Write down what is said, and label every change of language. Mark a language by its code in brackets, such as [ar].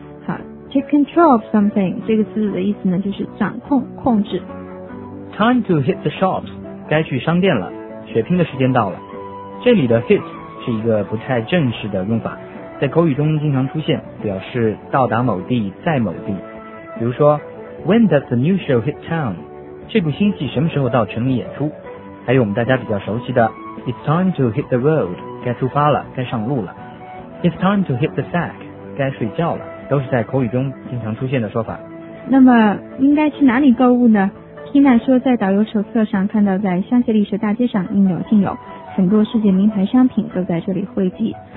[zh] 好， [en] take control of something [zh] 这个词的意思呢，就是掌控、控制。 [en] Time to hit the shops， [zh] 该去商店了，血拼的时间到了。这里的 hit 是一个不太正式的用法，在口语中经常出现，表示到达某地，在某地。比如说 [en] When does the new show hit town？ [zh] 这部新戏什么时候到城里演出？还有我们大家比较熟悉的 [en] It's time to hit the road， [zh] 该出发了，该上路了。 [en] It's time to hit the sack， [zh] 该睡觉了，都是在口语中经常出现的说法。那么应该去哪里购物呢？Tina 说在导游手册上看到，在香榭丽舍大街上应有尽有，很多世界名牌商品都在这里汇集。